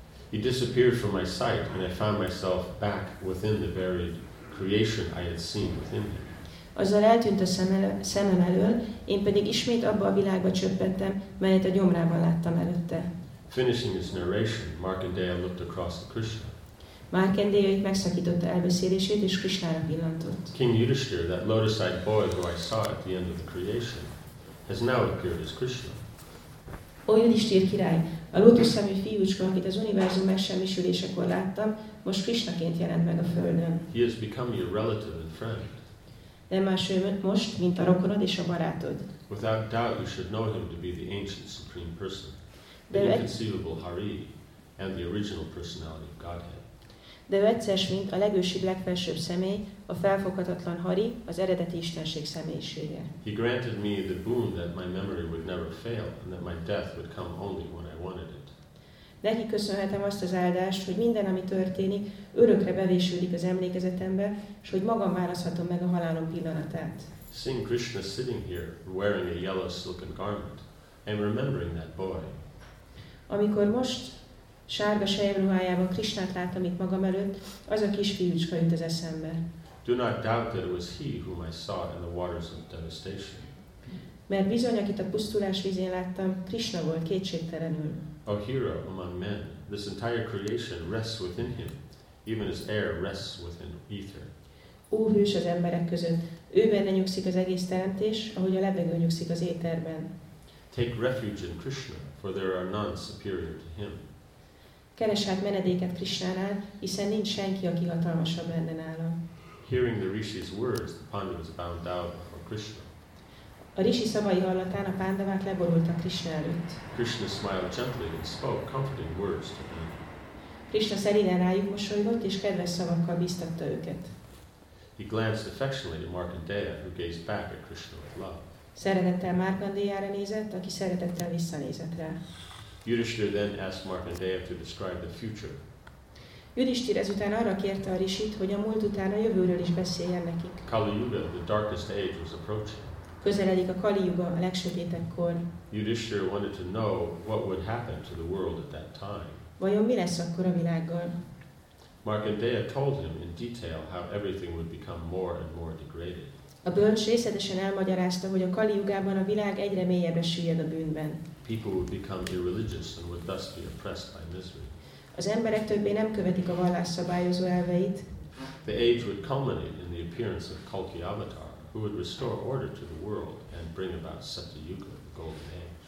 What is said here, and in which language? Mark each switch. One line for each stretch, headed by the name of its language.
English: He disappeared from my sight, and I found myself back within the varied creation I had seen within him.
Hungarian: Azzal eltűnt a szemem elől, én pedig ismét abba a világba csöppettem, melyet a gyomrában láttam előtte.
English: Finishing his narration, Markandeya looked across to Krishna.
Hungarian: Markandeya itt megszakította elbeszélését és Krishnára pillantott.
English: King Yudhishthira, that lotus-eyed boy who I saw at the end of the creation, has now appeared as Krishna.
Hungarian: Ó, Yudhishthira király, a lótuszszemű fiúcska, akit az univerzum megsemmisülésekor láttam, most Krishnaként jelent meg a földön.
English: He has become your relative and friend.
Hungarian: Nem más ő most, mint a rokonod és a barátod.
English: Without doubt, you should know him to be the ancient supreme person. The inconceivable Hari and the original personality of Godhead.
Hungarian: De ő egyszer s mint a legősibb, legfelsőbb személy, a felfoghatatlan Hari, az eredeti istenség személyisége.
English: He granted me the boon that my memory would never fail and that my death would come only when I wanted it.
Hungarian: Neki köszönhetem azt az áldást, hogy minden, ami történik, örökre bevésődik az emlékezetembe, és hogy magam választhatom meg a halálom pillanatát.
English: Seeing Krishna sitting here, wearing a yellow silken garment, I'm remembering that boy.
Hungarian: Amikor most sárga selyem ruhájában Krishnát láttam itt magam előtt, az a kisfiúcska jut az eszembe.
English: Do not doubt that it was he whom I saw in the waters of devastation.
Hungarian: Mert bizony, akit a pusztulás vízén láttam, Krishna volt kétségtelenül.
English: A hero among men, this entire creation rests within him, even his air rests within ether.
Hungarian: Ó hős az emberek között, ő benne nyugszik az egész teremtés, ahogy a levegő nyugszik az éterben.
English: Take refuge in Krishna, for there are none superior to him.
Hungarian: Keress át menedéket Krishnánál, hiszen nincs senki, aki hatalmasabb lenne nála.
English: Hearing the Rishi's words, the Pandavas bowed down before Krishna.
Hungarian: A Rishi szavai hallatán a Pandavák leborultak Krishna előtt.
English: Krishna smiled gently and spoke comforting words to them.
Hungarian: Krishna szerénen rájuk mosolygott és kedves szavakkal bíztatta őket.
English: He glanced affectionately at Markandeya, who gazed back at Krishna with love.
Hungarian: Szeretettel Markandeyára nézett, aki szeretettel visszanézett rá.
English: Yudhishthira then asked Markandeya to describe the future.
Hungarian: Yudhishthira ezután arra kérte a Rishit, hogy a múlt után a jövőről is beszéljen nekik.
English: Kali Yuga, the darkest age, was approaching.
Hungarian: Közeledik a Kali Yuga, a legsötétebb kor.
English: Yudhishthira wanted to know what would happen to the world at that time.
Hungarian: Vajon mi lesz akkor a világgal?
English: Markandeya told him in detail how everything would become more and more degraded.
Hungarian: A bölcs részletesen elmagyarázta, hogy a Kali Yugában a világ egyre mélyebbre süllyed a bűnben.
English: People would become irreligious and would thus be oppressed by misery.
Hungarian: Az emberek többé nem követik a vallás szabályozó elveit.
English: The age would culminate in the appearance of Kalki Avatar, who would restore order to the world and bring about Satyuga, the golden age.